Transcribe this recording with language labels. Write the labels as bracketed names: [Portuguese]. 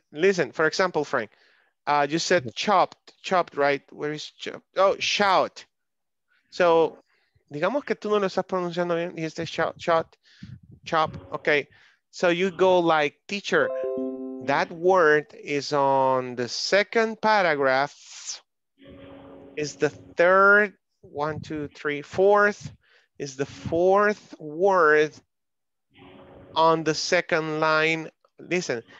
[English] Listen, for example, Frank, you said chopped, right? Where is chopped? Oh, shout. [Spanish] So, digamos que tú no lo estás pronunciando bien, dijiste chop, okay. [English] So you go like, teacher, that word is on the second paragraph, is the third, one, two, three, fourth, is the fourth word on the second line. Listen.